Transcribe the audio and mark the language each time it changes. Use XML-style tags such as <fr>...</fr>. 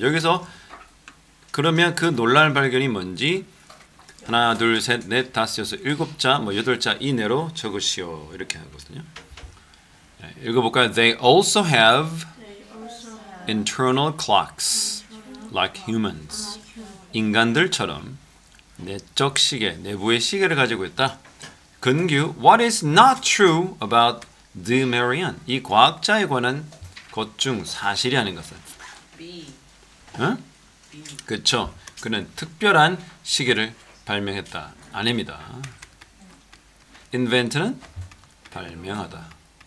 <ko>여기서 그러면 그 놀라운 발견이 뭔지 하나 둘 셋 넷 다섯 여섯 일곱 자 뭐 여덟 자 이내로 적으시오 이렇게 하거든요. 네, 읽어볼까요?</ko> <en>They also have internal clocks, like humans.</en> <ko>인간들처럼 내적 시계, 내부의 시계를 가지고 있다.</ko> <en>근규, what is not true about the Marian?</en> <ko>이 과학자에 관한 것 중 사실이 아닌 것은? B. 응? B. 그쵸. 그는 특별한 시계를 발명했다. 아닙니다. Invent는 발명하다.</ko>